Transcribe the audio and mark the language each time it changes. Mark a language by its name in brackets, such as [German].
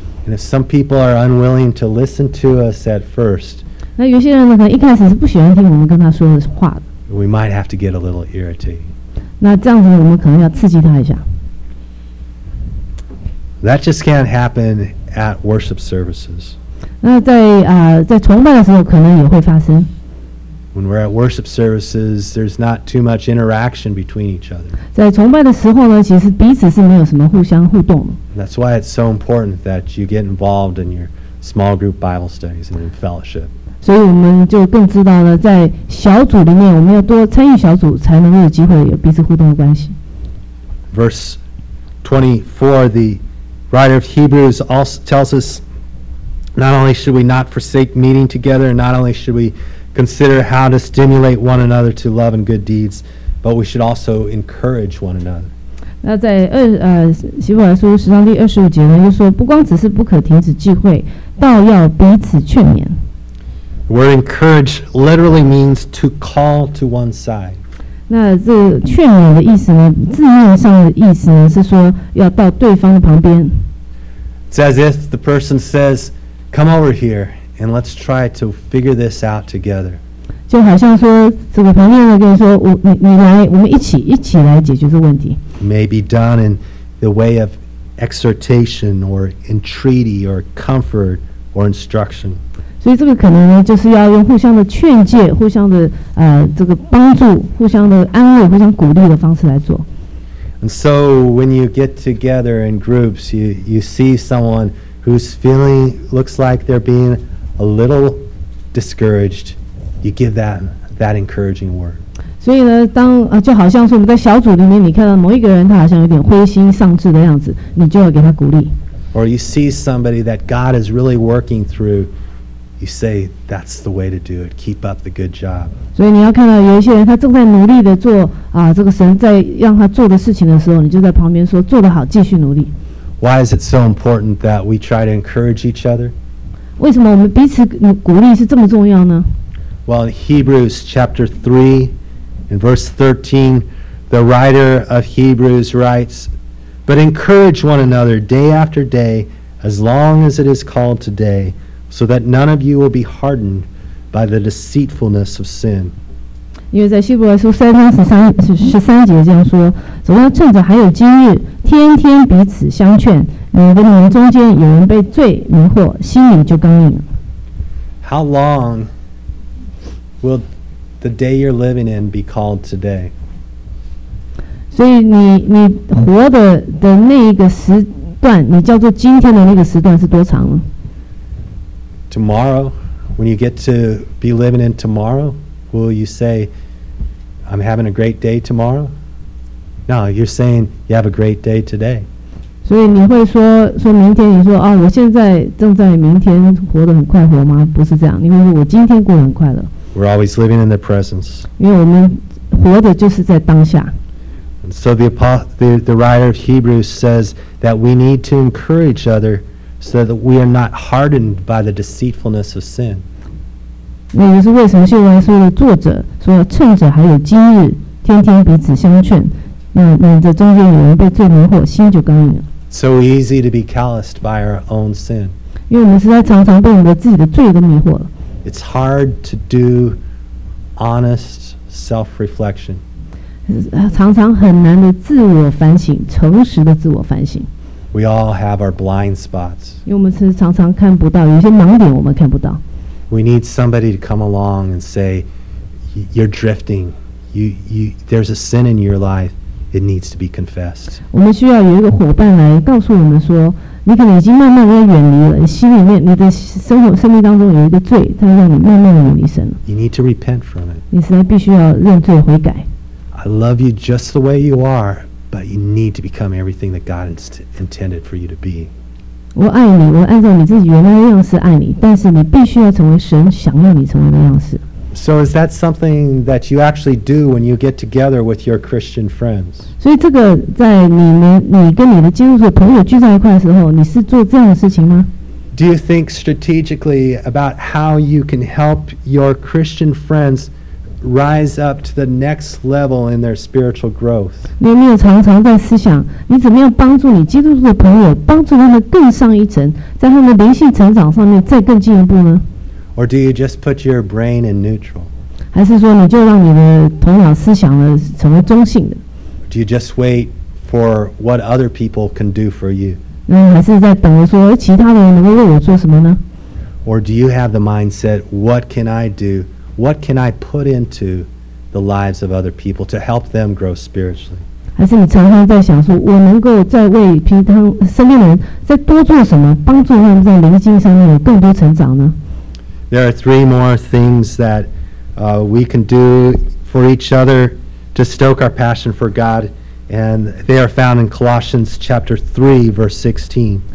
[English] And if some people are unwilling to listen to us at first, [Chinese] 那有些人呢，可能一开始是不喜欢听我们跟他说的话的。 [English] We might have to get a little irritated. [Chinese] 那这样子我们可能要刺激他一下。 [English] That just can't happen at worship services. [Chinese] 那在崇拜的时候可能也会发生。 [English] When we're at worship services, there's not too much interaction between each other. [Chinese] 在崇拜的时候呢，其实彼此是没有什么互相互动。 [English] That's why it's so important that you get involved in your small group Bible studies and in fellowship. [Chinese] 所以我们就更知道了，在小组里面，我们要多参与小组，才能有机会有彼此互动的关系。 [English] Verse 24, the writer of Hebrews also tells us, not only should we not forsake meeting together, not only should we consider how to stimulate one another to love and good deeds, but we should also encourage one another. [Chinese] 那在希伯来书十章第二十五节呢，就说不光只是不可停止聚会，倒要彼此劝勉。 [English] The word encourage literally means to call to one side. [Chinese] 那这劝勉的意思呢，字面上的意思呢，是说要到对方的旁边。 [English] It's as if the person says, "Come over here." And let's try to figure this out together. [Chinese] 就好像说，这个旁边的跟你说，你来，我们一起来解决这个问题。 [English] May be done in the way of exhortation or entreaty or comfort or instruction. [Chinese] 所以这个可能呢，就是要用互相的劝诫、互相的这个帮助、互相的安慰、互相鼓励的方式来做。 [English] And so when you get together in groups, you see someone who's feeling looks like they're being a little discouraged, you give that encouraging word. [Chinese] 所以呢，当就好像说我们在小组里面，你看到某一个人他好像有点灰心丧志的样子，你就要给他鼓励。 [English] Or you see somebody that God is really working through, you say that's the way to do it. Keep up the good job. [Chinese] 所以你要看到有一些人他正在努力的做这个神在让他做的事情的时候，你就在旁边说做得好，继续努力。 [English] Why is it so important that we try to encourage each other? [Chinese] 为什么我们彼此鼓励是这么重要呢? [English] Well, in Hebrews chapter 3, in verse 13, the writer of Hebrews writes, But encourage one another day after day, as long as it is called today, so that none of you will be hardened by the deceitfulness of sin. [Chinese] 因为在希伯来书三章十三节这样说，总要趁着还有今日，天天彼此相劝，免得你们中间有人被罪迷惑，心里就刚硬。 [English] How long will the day you're living in be called today? [Chinese] 所以你活的那一个时段，你叫做今天的那个时段是多长了？ [English] Tomorrow, when you get to be living in tomorrow, will you say, I'm having a great day tomorrow? No, you're saying you have a great day today. [Chinese] 所以你会说明天，你说啊，我现在正在明天活得很快活吗？不是这样，你会说我今天过得很快乐。 [English] We're always living in the presence. [Chinese] 因为我们活的就是在当下。 [English] And so the writer of Hebrews says that we need to encourage other so that we are not hardened by the deceitfulness of sin. [Chinese] 那也是为什么希伯来书的作者说要趁着还有今日，天天彼此相劝。那这中间有人被罪迷惑，心就刚硬了。 [English] So easy to be calloused by our own sin. [Chinese] 因为我们实在常常被我们的自己的罪都迷惑了。 [English] It's hard to do honest self-reflection. [Chinese] 常常很难的自我反省，诚实的自我反省。 [English] We all have our blind spots. [Chinese] 因为我们是常常看不到，有些盲点我们看不到。 [English] We need somebody to come along and say, "You're drifting. There's a sin in your life." It needs to be confessed. [Chinese] 我们需要有一个伙伴来告诉我们说，你可能已经慢慢的远离了，心里面你的生命当中有一个罪，它让你慢慢的远离神了。 [English] You need to repent from it. [Chinese] 你实在必须要认罪悔改。 [English] I love you just the way you are, but you need to become everything that God has intended for you to be. [Chinese] 我爱你，我按照你自己原来的样式爱你，但是你必须要成为神想要你成为的样式。 [English] So is that something that you actually do when you get together with your Christian friends? [Chinese] 所以这个在你跟你的基督徒朋友聚在一块的时候，你是做这样的事情吗？ [English] Do you think strategically about how you can help your Christian friends rise up to the next level in their spiritual growth? [Chinese] 你有没有常常在思想，你怎么样帮助你基督徒的朋友，帮助他们更上一层，在他们灵性成长上面再更进一步呢？ [English] Or do you just put your brain in neutral? [Chinese] 还是说你就让你的头脑思想呢成为中性的？ [English] Do you just wait for what other people can do for you? [Chinese] 那还是在等着说其他的人能够为我做什么呢？ [English] Or do you have the mindset, what can I do? what can I put into the lives of other people to help them grow spiritually? [Chinese] 还是你常常在想说，我能够再为平常身边的人再多做什么，帮助他们在灵性上面有更多成长呢？ [English] There are three more things that we can do for each other to stoke our passion for God, and they are found in Colossians chapter 3, verse 16.